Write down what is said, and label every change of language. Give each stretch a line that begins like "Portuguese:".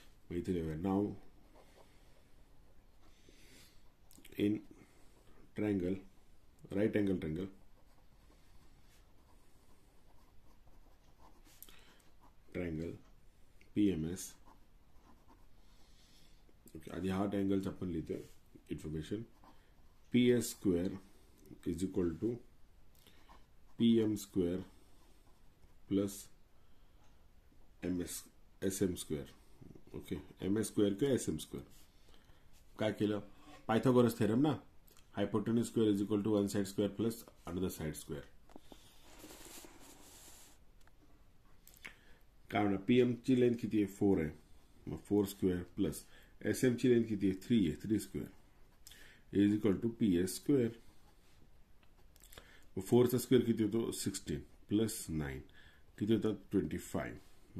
Marathi: इथे ठेवूया नाव in triangle, right angle triangle, triangle PMS. Okay, आधी हा ट्रायंगल आपण लिहितोय information.
English: P S square is equal to P M square plus M S S M square.
Marathi: Okay, M S square किंवा S M square. काय केलं, Pythagoras theorem ना,
English: hypotenuse square is equal to one side square
Marathi: plus another side square. काय म्हणा, PM ची length किती आहे, four आहे, मग four square plus S M ची लेंथ किती आहे, थ्री आहे,
English: Three square is equal to P S square.
Marathi: फोरचा स्क्वेअर किती होतो, सिक्सटीन प्लस नाईन किती होतात, ट्वेंटी फाईव्ह.